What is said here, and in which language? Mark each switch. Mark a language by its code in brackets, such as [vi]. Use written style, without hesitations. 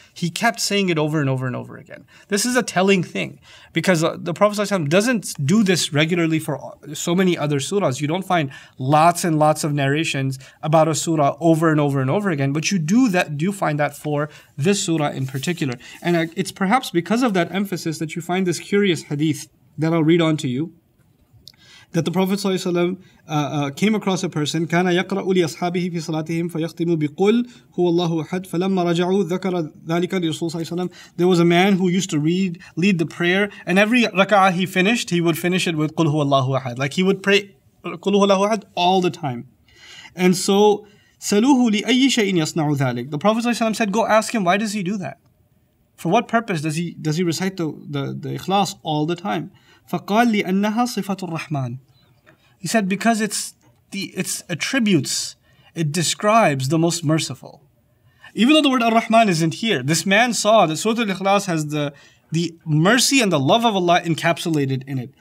[en] He kept saying it over and over and over again. This is a telling thing, because the Prophet ﷺ doesn't do this regularly for so many other surahs. You don't find lots and lots of narrations about a surah over and over and over again, but you do find that for this surah in particular. And it's perhaps because of that emphasis that you find this curious hadith that I'll read on to you. That the Prophet ﷺ came across a person, [ar] كان يقرأ لأصحابه في صلاتهم فيختم بقل هو الله أحد فلما رجعوا ذكر ذلك لرسول ﷺ. [en] There was a man who used to lead the prayer, and every rak'ah he finished, he would finish it with [ar] قل هو الله أحد. [en] Like he would pray [ar] قل هو الله أحد [en] all the time. And so [ar] سلوه لأي شيء يصنع ذلك. [en] The Prophet ﷺ said, go ask him, why does he do that? For what purpose does he recite the ikhlas all the time? [ar] فقال لأنها صفة الرحمن. [en] He said, because its attributes, it describes the most merciful. Even though the word Ar-Rahman isn't here, this man saw that Surah Al-Ikhlas has the mercy and the love of Allah encapsulated in it.